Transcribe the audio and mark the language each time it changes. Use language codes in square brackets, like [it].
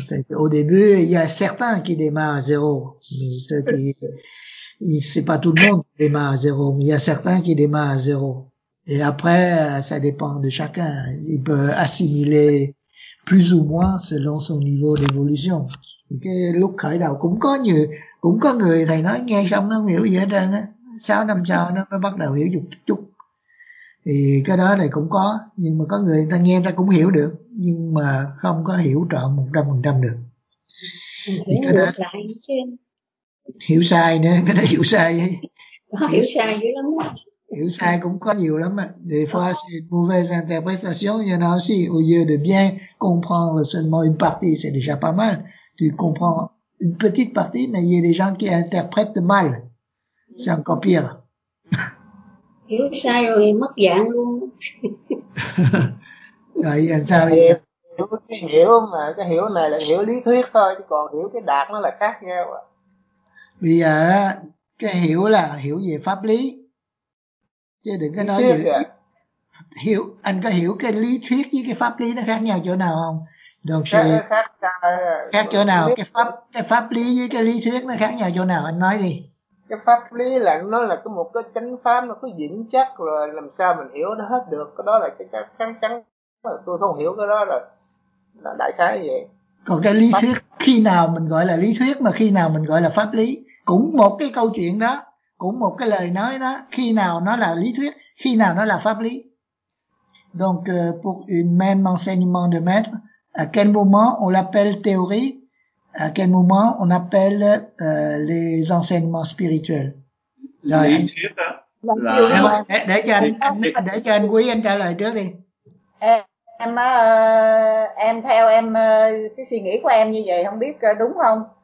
[fr] Au début, il y a certains qui démarrent à zéro, mais ceux qui, c'est pas tout le monde qui démarre à zéro, mais il y a certains qui démarrent à zéro. Et après, ça dépend de chacun. Il peut assimiler plus ou moins selon son niveau d'évolution. [vi] Lúc khởi đầu cũng có người thầy nói nghe xong nó không hiểu gì hết trơn á. 6 năm sau nó mới bắt đầu hiểu được chút chút. Thì cái đó này cũng có, nhưng mà có người ta nghe ta cũng hiểu được, nhưng mà không có hiểu trọn 100% được. Thì cái đó, hiểu sai nữa, cái đó hiểu sai. Hiểu sai dữ lắm. Hiểu sai cũng có nhiều lắm ạ. [fr] Des fois, c'est une mauvaise interprétation. Il y en a aussi. Au lieu de bien comprendre seulement une partie, c'est déjà pas mal. Tu comprends une petite partie, mais il y a des gens qui interprètent mal. C'est encore pire. [vi] Hiểu sai rồi, mất dạng luôn. Rồi, làm sao vậy? Hiểu, cái hiểu mà, cái hiểu này là hiểu lý thuyết thôi, chứ còn hiểu cái đạt nó là khác nhau. Bây giờ, cái hiểu là hiểu về pháp lý. Chứ đừng có nói gì hiểu, anh có hiểu cái lý thuyết với cái pháp lý nó khác nhau chỗ nào không? Đồng sự khác chỗ nào? Cái pháp lý với cái lý thuyết nó khác nhau chỗ nào? Anh nói đi. Cái pháp lý là nó là có một cái chánh pháp, nó có vững chắc rồi, làm sao mình hiểu nó hết được? Cái đó là cái chắn chắn, tôi không hiểu cái đó là đại khái vậy. Còn cái lý thuyết khi nào mình gọi là lý thuyết mà khi nào mình gọi là pháp lý, cũng một cái câu chuyện đó, cũng một cái lời nói đó, khi nào nó là lý thuyết, khi nào nó là pháp lý. [fr] Donc pour une même enseignement de maître, à quel moment on l'appelle théorie, à quel moment on appelle les enseignements spirituels. [vi] Lý thuyết là... Để cho anh, để cho anh Quý anh trả lời trước đi. Em theo em cái suy nghĩ của em như vậy, không biết đúng không?